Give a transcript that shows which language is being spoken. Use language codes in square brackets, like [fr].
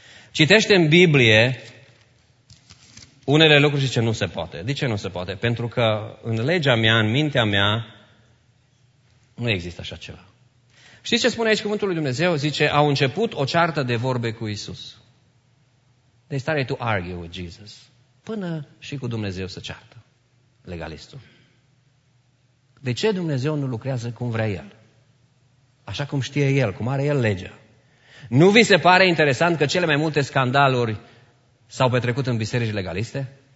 [ro] Citește în Biblie unele lucruri și zice, nu se poate. De ce nu se poate? Pentru că în legea mea, în mintea mea, nu există așa ceva. Știți ce spune aici cuvântul lui Dumnezeu? Zice, au început o ceartă de vorbe cu Iisus. [en] They started to argue with Jesus. [ro] Până și cu Dumnezeu să ceartă, legalistul. De ce Dumnezeu nu lucrează cum vrea El? Așa cum știe El, cum are El legea. Nu vi se pare interesant că cele mai multe scandaluri s-au petrecut în biserici legaliste?